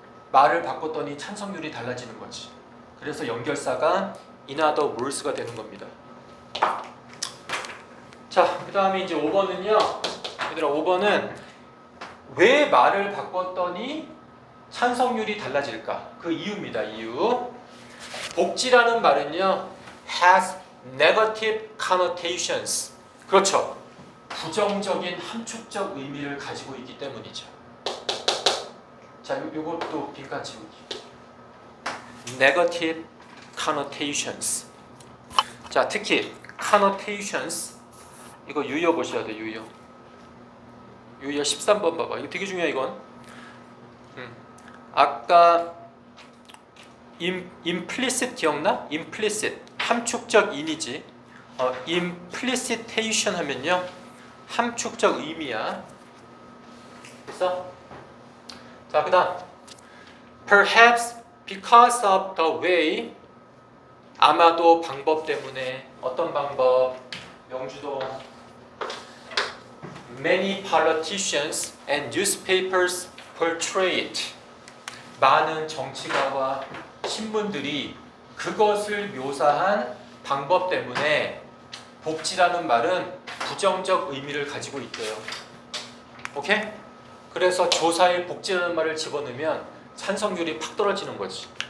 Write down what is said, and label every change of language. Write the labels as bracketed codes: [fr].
[ko] 말을 바꿨더니 찬성률이 달라지는 거지. 그래서 연결사가 [en] in other words [ko] 가 되는 겁니다. 자, 그 다음에 이제 5번은요. 얘들아, 5번은 왜 말을 바꿨더니 찬성률이 달라질까? 그 이유입니다, 이유. 복지라는 말은요, [en] has negative connotations. [ko] 그렇죠. 부정적인 함축적 의미를 가지고 있기 때문이죠. 자, 이것도 빈칸 채우기. [en] Negative connotations. [ko] 자, 특히 connotations. 이거 유의어 보셔야 돼, 유의어. 유의어 13번 봐봐. 이거 되게 중요해, 이건. 아까 implicit 기억나? Implicit. 함축적 인이지. Implicitation 하면요. 함축적 의미야. 됐어? 자, 그 다음. [en] Perhaps because of the way, [ko] 아마도 방법 때문에, 어떤 방법, 명주동. [en] Many politicians and newspapers portray it. [ko] 많은 정치가와 신문들이 그것을 묘사한 방법 때문에 복지라는 말은 부정적 의미를 가지고 있대요. 오케이? 그래서 조사에 복지라는 말을 집어넣으면 찬성률이 팍 떨어지는 거지.